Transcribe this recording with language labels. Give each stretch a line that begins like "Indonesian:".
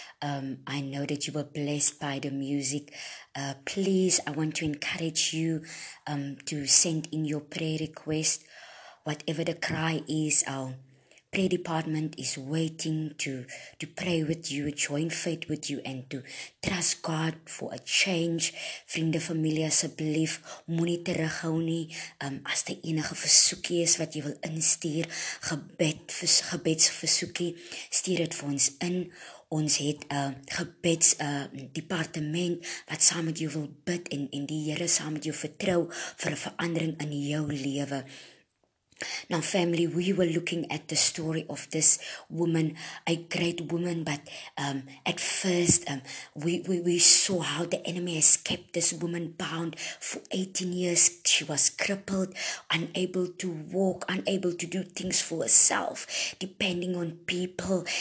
English: I know that you were blessed by the music. Please, I want to encourage you to send in your prayer request. Whatever the cry is, prayer department is waiting to pray with you, join faith with you, and to trust God for a change.
Afrikaans: Vriende, familie, asseblief, moenie terughou nie. As daar enige versoekie is wat jy wil instuur, gebedsversoekie, stuur dit vir ons in. Ons het 'n gebedsdepartement wat saam met jou wil bid en die Here saam met jou vertrou vir 'n verandering in jou lewe.
English: Now, family, we were looking at the story of this woman, a great woman, but at first we saw how the enemy has kept this woman bound for 18 years. She was crippled, unable to walk, unable to do things for herself, depending on people.